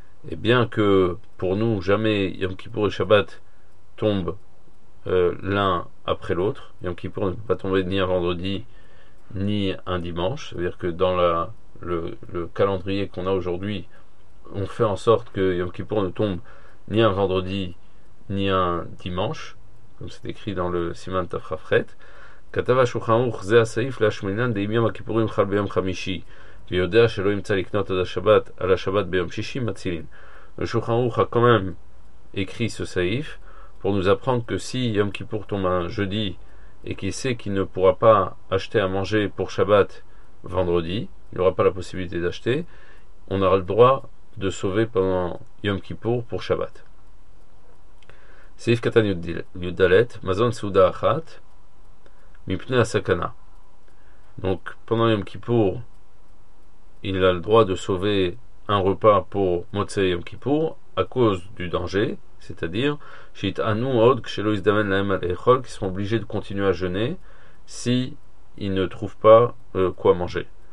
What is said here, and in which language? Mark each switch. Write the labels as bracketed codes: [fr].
[fr] Et bien que pour nous, jamais Yom Kippour et Shabbat tombent l'un après l'autre, Yom Kippour ne peut pas tomber ni un vendredi ni un dimanche, c'est-à-dire que dans le calendrier qu'on a aujourd'hui, on fait en sorte que Yom Kippour ne tombe ni un vendredi ni un dimanche, comme c'est écrit dans le Siman Tafrafret. [he] כתב השולחן ערוך זה הסעיף להשמינן דאם יום הכיפורים חל ביום חמישי ויודע שלא ימצא לקנות עד השבת על השבת ביום שישי מצילין. [fr] השולחן ערוך quand même écrit ce saïf pour nous apprendre que si Yom Kippour tombe un jeudi et qu'il sait qu'il ne pourra pas acheter à manger pour Shabbat vendredi, il n'aura pas la possibilité d'acheter, on aura le droit de sauver pendant Yom Kippour pour Shabbat. [he] סעיף קטן יודלת מזון סעודה אחת. [fr] Donc pendant Yom Kippour, il a le droit de sauver un repas pour Motzei Yom Kippour à cause du danger, c'est-à-dire Shit Anu Od Ksheloiz Damen Laem Al Echol, qui seront obligés de continuer à jeûner s'ils ne trouvent pas quoi manger.